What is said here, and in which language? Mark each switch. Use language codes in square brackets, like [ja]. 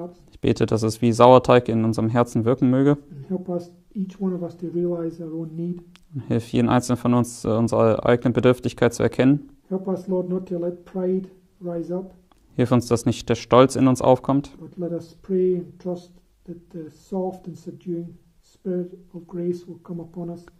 [de] Ich bete, dass es wie Sauerteig in unserem Herzen wirken möge. Hilf jeden Einzelnen von uns, unsere eigene Bedürftigkeit zu erkennen. [en] Help us, Lord, not to let pride rise up. [de] Hilf uns, dass nicht der Stolz in uns aufkommt. [en] But let us pray and trust that the soft and subduing spirit of grace will come upon us.